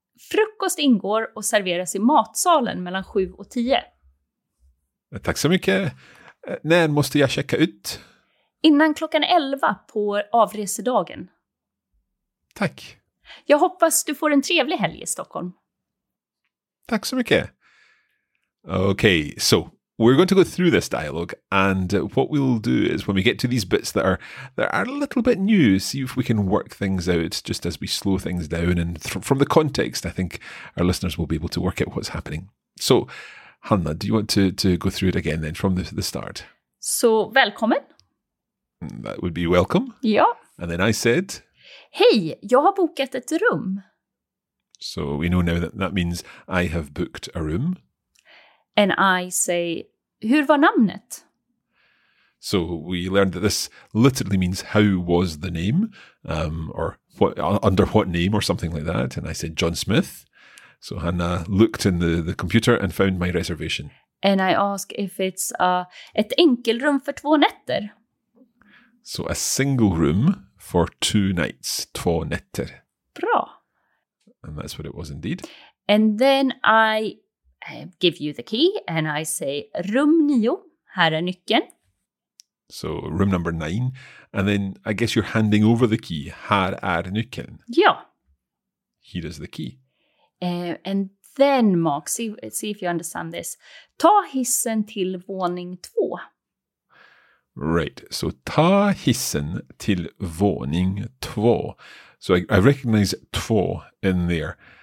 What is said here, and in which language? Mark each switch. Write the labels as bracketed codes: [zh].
[sv] Frukost ingår och serveras i matsalen mellan 7 och 10. Tack så mycket. När måste jag checka ut? Innan klockan 11 på avresedagen. Tack. Jag hoppas du får en trevlig helg i Stockholm. Tack så mycket. [en] Okay, so We're going to go through this dialogue, and what we'll do is when we get to these bits that are a little bit new, see if we can work things out just as we slow things down. And from the context, I think our listeners will be able to work out what's happening. So, Hanna, do you want to go through it again then from the start? So, [sv] välkommen. [en] That would be welcome. [sv] Ja. [en] And then I said, [sv] hej, jag har bokat ett rum. [en] So we know now that means I have booked a room. And I say, [sv] hur var namnet? [en] So we learned that this literally means how was the name, or what, under what name or something like that. And I said, John Smith. So Hannah looked in the computer and found my reservation. And I ask if it's [sv] ett enkelrum för två nätter. [en] So a single room for two nights, [sv] två nätter. Bra. [en] And that's what it was indeed. And then I give you the key and I say, [sv] rum nio, här är nyckeln. [en] So room number 9. And then I guess you're handing over the key, [sv] här är nyckeln. Ja. [en] Here is the key. And then, Mark, see if you understand this. [sv] Ta hissen till våning 2. [en] Right. So [sv] ta hissen till våning 2. [en] So I recognize 2 in there.